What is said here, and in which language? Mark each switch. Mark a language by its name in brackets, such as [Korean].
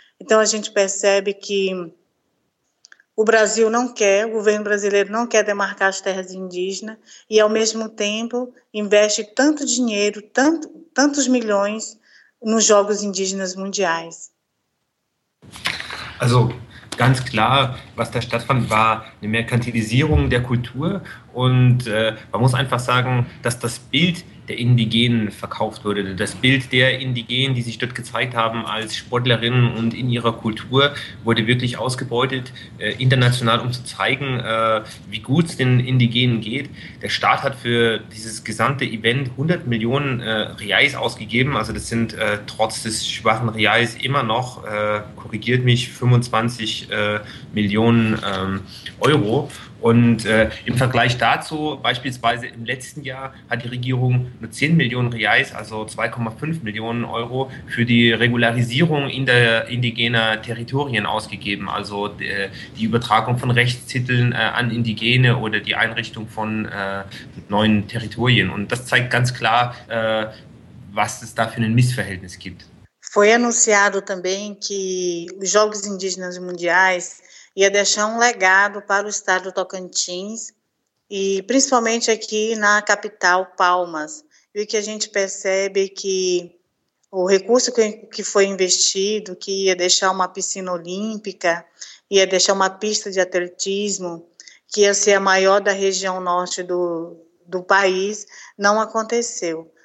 [Portuguese] Então a gente percebe que o Brasil não quer, o governo brasileiro não quer demarcar as terras indígenas e, ao mesmo tempo, investe tanto dinheiro, tantos milhões nos Jogos Indígenas Mundiais. [German] Also, ganz klar, was da stattfand, war eine Merkantilisierung der Kultur und man muss einfach sagen, dass das Bild der Indigenen verkauft wurde. Das Bild der Indigenen, die sich dort gezeigt haben als Sportlerinnen und in ihrer Kultur, wurde wirklich ausgebeutet, international, um zu zeigen, wie gut es den Indigenen geht. Der Staat hat für dieses gesamte Event 100 Millionen Reais ausgegeben. Also das sind trotz des schwachen Reais immer noch, korrigiert mich, 25 Millionen Euro. Und im Vergleich dazu, beispielsweise im letzten Jahr, hat die Regierung nur 10 Millionen Reais, also 2,5 Millionen Euro, für die Regularisierung in der indigenen Territorien ausgegeben. Also die Übertragung von Rechtstiteln an Indigene oder die Einrichtung von neuen Territorien. Und das zeigt ganz klar, was es da für ein Missverhältnis gibt. [Portuguese] Foi anunciado também que os Jogos Indígenas Mundiais ia deixar um legado para o estado do Tocantins e principalmente aqui na capital, Palmas. E o que a gente percebe é que o recurso que foi investido, que ia deixar uma piscina olímpica, ia deixar uma pista de atletismo, que ia ser a maior da região norte do país, não aconteceu.